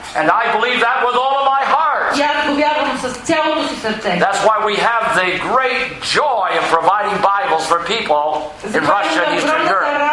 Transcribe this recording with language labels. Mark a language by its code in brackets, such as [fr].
[en] And I believe that with all of my heart. [bg] И аз го вярвам с цялото си сърце. [en] That's why we have the great joy of providing Bibles for people in Russia and Eastern Europe.